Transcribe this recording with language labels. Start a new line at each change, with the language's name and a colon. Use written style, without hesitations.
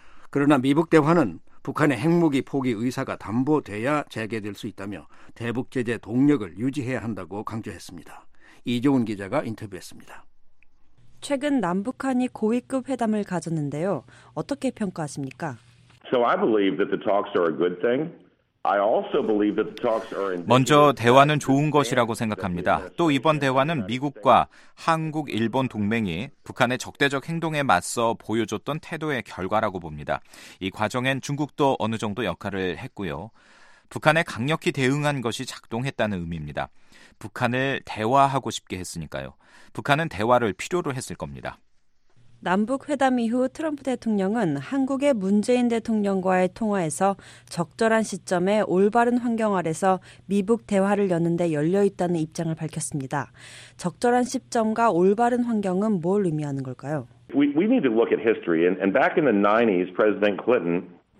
Korean: 그러나 미북 대화는 북한의 핵무기 포기 의사가 담보돼야 재개될 수 있다며 대북 제재 동력을 유지해야 한다고 강조했습니다. 이종훈 기자가 인터뷰했습니다. 최근 남북한이 고위급 회담을 가졌는데요. 어떻게 평가하십니까?
English: So I believe that the talks are a good thing. I also believe that the talks are
Korean: 먼저 대화는 좋은 것이라고 생각합니다. 또 이번 대화는 미국과 한국, 일본 동맹이 북한의 적대적 행동에 맞서 보여줬던 태도의 결과라고 봅니다. 이 과정엔 중국도 어느 정도 역할을 했고요. 북한에 강력히 대응한 것이 작동했다는 의미입니다. 북한을 대화하고 싶게 했으니까요. 북한은 대화를 필요로 했을 겁니다. 남북 회담 이후 트럼프 대통령은 한국의 문재인 대통령과의 통화에서 적절한 시점에 올바른 환경 아래서 미북 대화를 여는데 열려 있다는 입장을 밝혔습니다. 적절한 시점과 올바른 환경은 뭘 의미하는 걸까요?
English: We need to look at history and back in the 90s President Clinton